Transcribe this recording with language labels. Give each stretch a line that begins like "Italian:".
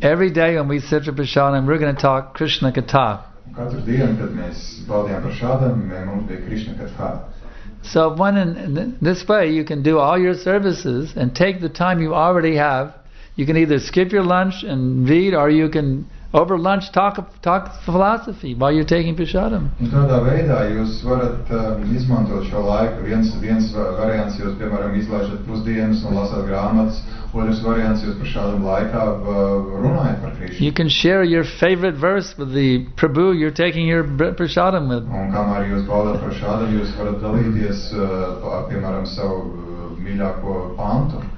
English: Every day when we sit for prasadam, we're going to talk Krishna Katha. So when in this way you can do all your services and take the time you already have. You can either skip your lunch and read, or you can over lunch talk philosophy while you're taking prasadam.
Latvian: In tādā veidā jūs varat izmantot šo laiku. Viens variants, jūs piemēram izlaižat pusdienas un lasat grāmatas, otrs variants, jūs prasadam laikā runājat par Krishna.
English: You can share your favorite verse with the prabhu you're taking your prasadam with.
Latvian: Un kamēr jūs baudat prasadam, jūs varat dalīties piemēram savu mīļāko pantu.